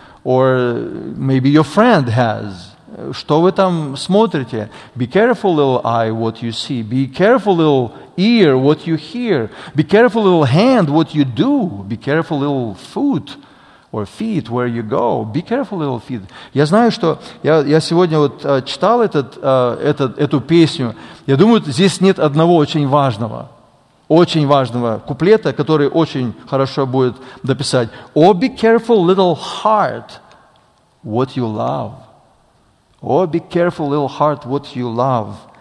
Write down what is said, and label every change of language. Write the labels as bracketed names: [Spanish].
[English] Or maybe your friend has. [Russian] Что вы там смотрите? [English] Be careful, little eye, what you see. Be careful, little ear, what you hear. Be careful, little hand, what you do. Be careful, little foot or feet, where you go. Be careful, little feet. [Russian] Я знаю, что я сегодня вот читал эту песню. Я думаю, здесь нет одного очень важного куплета, который очень хорошо будет дописать. [English] Oh, be careful, little heart, what you love. Oh, be careful, little heart, what you love.